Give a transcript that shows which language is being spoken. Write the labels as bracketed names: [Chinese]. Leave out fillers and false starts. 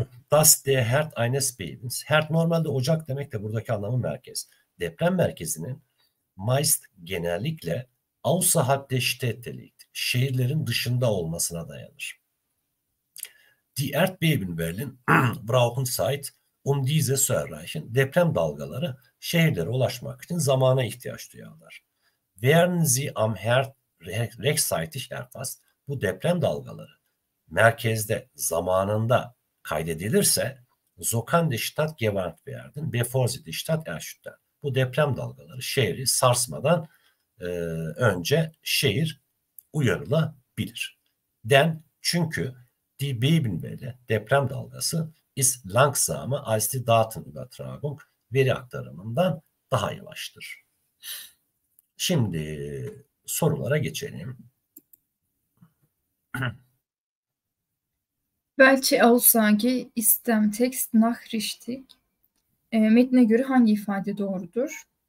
[German] Das der Herd eines Bebens. [Turkish] Herd normalde ocak demek de buradaki anlamı merkez. Deprem merkezinin [German] meist [Turkish] genellikle [German] außerhalb der Städte liegt. [Turkish] Şehirlerin dışında olmasına dayanır. [German] Die Erdbeben Wellen brauchen Zeit, um diese zu erreichen. [Turkish] Deprem dalgaları şehirlere ulaşmak için zamana ihtiyaç duyarlar. [German] Werden sie am Herd rechtzeitig erfasst. [Turkish] Bu deprem dalgaları merkezde zamanında kaydedilirse [German] Zokan de Stadt gewarnt werden, bevor sie die Stadt erschüttern. [Turkish] Bu deprem dalgaları şehri sarsmadan önce şehir uyarılabilir. Çünkü [German] die Bebenwelle, [Turkish] deprem dalgası [German] ist langsamer als die Datenübertragung, [Turkish] veri aktarımından daha yavaştır. Şimdi sorulara geçelim. [German] Welche Aussage ist im Text nach richtig? [Turkish] Metne göre hangi ifade doğrudur?